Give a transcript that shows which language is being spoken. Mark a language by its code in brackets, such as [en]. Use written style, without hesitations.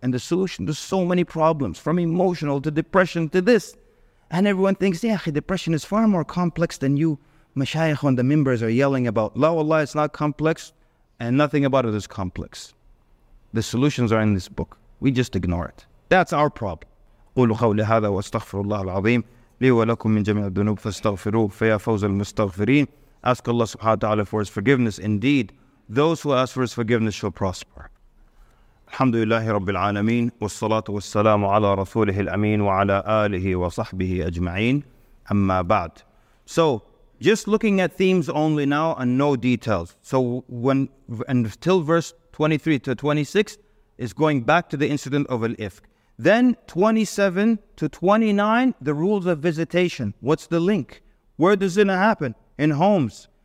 [en] And the solution to so many problems, from emotional to depression to this. And everyone thinks, yeah, depression is far more complex than you mashayikh on the members are yelling about. [ar] La wallahi, [en] it's not complex. And nothing about it is complex. The solutions are in this book. We just ignore it. That's our problem. [ar] قولوا قولي هذا واستغفر الله العظيم لي ولكم من جميع الذنوب فاستغفروه فيا فوز المستغفرين. [en] Ask Allah subhanahu wa ta'ala for his forgiveness. Indeed, those who ask for his forgiveness shall prosper. [ar] الحمد لله رب العالمين والصلاة والسلام على رسوله الأمين وعلى آله وصحبه أجمعين. أما بعد. [en] So, just looking at themes only now and no details. So, when and till verse 23 to 26 is going back to the incident of Al-Ifk. Then 27 to 29, the rules of visitation. What's the link? Where does zina happen? In homes.